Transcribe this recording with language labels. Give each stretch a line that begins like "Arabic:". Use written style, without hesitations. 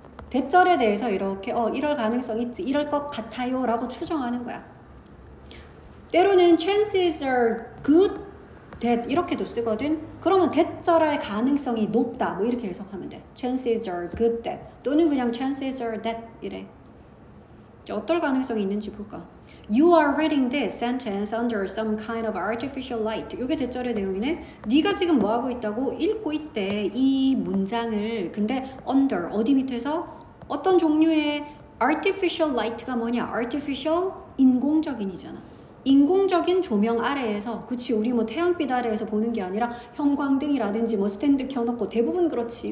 Korean: that절에 대해서 이렇게 이럴 가능성 있지, 이럴 것 같아요 라고 추정하는 거야. 때로는 chances are good that 이렇게도 쓰거든. 그러면 대절할 가능성이 높다 뭐 이렇게 해석하면 돼. chances are good that, 또는 그냥 chances are that 이래. 어떨 가능성이 있는지 볼까.
English: you are reading this sentence under some kind of artificial light.
Korean: 이게 대절의 내용이네. 네가 지금 뭐하고 있다고? 읽고 있대 이 문장을. 근데 under, 어디 밑에서? 어떤 종류의 artificial light가 뭐냐? artificial, 인공적인이잖아. 인공적인 조명 아래에서, 그치, 우리 뭐 태양빛 아래에서 보는 게 아니라 형광등이라든지 뭐 스탠드 켜놓고 대부분 그렇지.